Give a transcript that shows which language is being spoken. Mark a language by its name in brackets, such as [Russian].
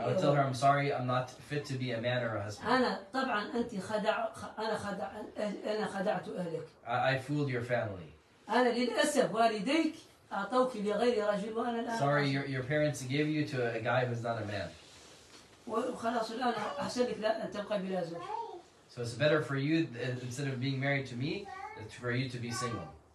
[English] I would tell her I'm sorry I'm not fit to be a man or a husband. [Arabic] أنا طبعا أنت خدع أنا خدعت أهلك. [English] I fooled your family. [Arabic] أنا للأسف والديك أعطوك لغير رجل وأنا الآن. [English] Sorry your parents gave you to a guy who's not a man. [Arabic] وخلاص الآن أحسن لك لا أن تبقى بلا زوج. [English] So it's better for you instead of being married to me for you to be single.